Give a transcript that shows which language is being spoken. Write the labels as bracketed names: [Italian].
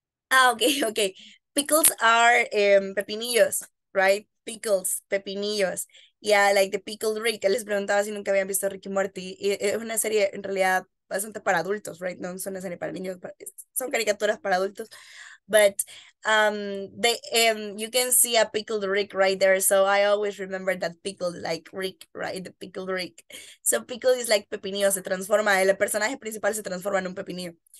[English] Ah, okay. Pickles are pepinillos, right? Pickles, pepinillos. Yeah, like the pickled Rick. [Spanish] Les preguntaba si nunca habían visto Rick y Morty. Es una serie en realidad bastante para adultos, right? No es una serie para niños, son caricaturas para adultos. [English] But you can see a pickled Rick right there. So I always remember that pickled, like Rick, right? The pickled Rick. So pickled is like pepinillo, [Spanish] se transforma. El personaje principal se transforma en un pepinillo.